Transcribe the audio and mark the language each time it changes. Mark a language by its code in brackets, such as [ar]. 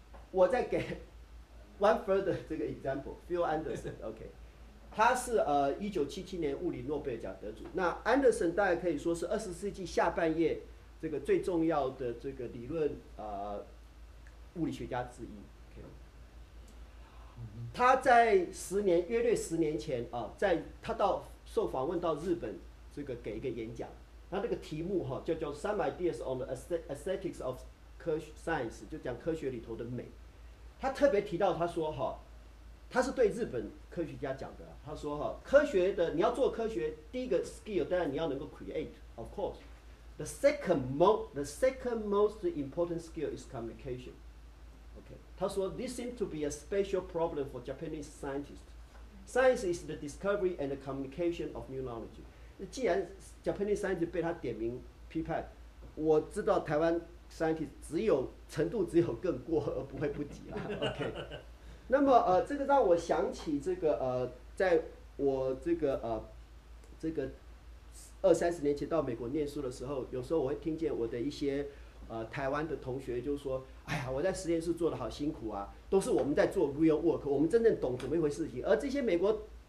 [zh] 我再给 one further 这个 example. Phil Anderson. OK. 他是1977年物理诺贝尔奖得主。那 Anderson 大概可以说是20世纪下半叶这个最重要的这个理论物理学家之一、okay. 他在约略十年前、啊、在他到受访问到日本这个给一个演讲，他这个题目、啊、就叫 Some Ideas on the Aesthetics of Science， 就讲科学里头的美。他特别提到，他说、啊、他是对日本科学家讲的，他说、啊、科学的你要做科学，第一个 skill 当然你要能够 create， [en] of course the second most important skill is communicationHe said, this seems to be a special problem for Japanese scientists. Science is the discovery and the communication of new knowledge. [zh] 既然 Japanese scientist 被他点名批判，我知道台湾 scientist 只有程度只有更过而不会不及啊。 OK， 那么这个让我想起这个在我这个20-30年前到美国念书的时候，有时候我会听见我的一些台湾的同学就说，哎呀，我在实验室做得好辛苦啊，都是我们在做 real work， 我们真正懂怎么一回事情，而这些美国